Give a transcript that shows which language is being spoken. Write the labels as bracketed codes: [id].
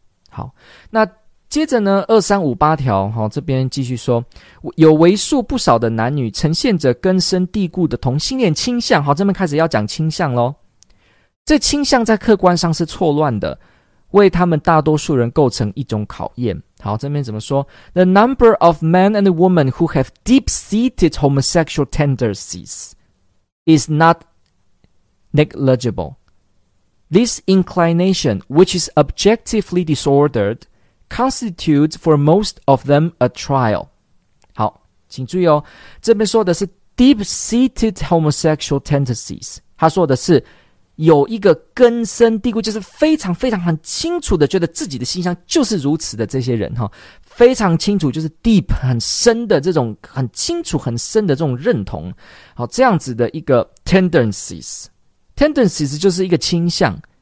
[zh] 好，那接着呢2358条，这边继续说，有为数不少的男女呈现着根深蒂固的同性恋倾向。好，这边开始要讲倾向咯，这倾向在客观上是错乱的，为他们大多数人构成一种考验。好，这边怎么说？ [en] The number of men and women who have deep-seated homosexual tendencies is not negligible. This inclination, which is objectively disordered, constitutes for most of them a trial. [zh] 好，请注意哦，这边说的是 [en] deep-seated homosexual tendencies， [zh] 他说的是有一个根深蒂固，就是非常非常很清楚的觉得自己的性向就是如此的这些人，非常清楚，就是 deep 很深的这种很清楚很深的这种认同，好，这样子的一个 tendencies 就是一个倾向。